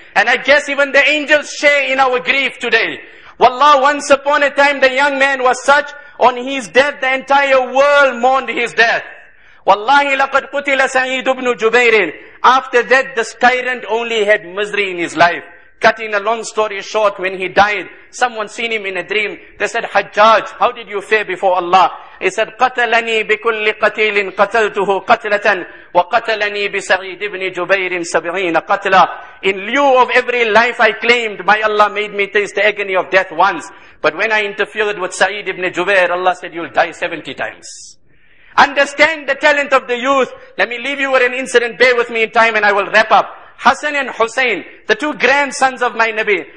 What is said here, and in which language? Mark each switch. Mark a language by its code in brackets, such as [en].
[en] And I guess even the angels share in our grief today. Wallah, once upon a time the young man was such, on his death, the entire world mourned his death. [ar] Wallahi laqad qutila Sa'id ibn Jubayr. [en] After that, this tyrant only had misery in his life. Cutting a long story short, when he died, someone seen him in a dream. They said, Hajjaj, how did you fare before Allah? He said, [ar] قَتَلَنِي بِكُلِّ قَتِيلٍ قَتَلْتُهُ قَتْلَةً وَقَتَلَنِي بِسَعِيدِ بْنِ جُبَيْرٍ سَبْعِينَ قَتْلًا. [en] In lieu of every life I claimed, my Allah made me taste the agony of death once. But when I interfered with Sa'id ibn Jubair, Allah said, you'll die 70 times. Understand the talent of the youth. Let me leave you with an incident. Bear with me in time and I will wrap up. Hassan and Hussein, the two grandsons of my Nabi.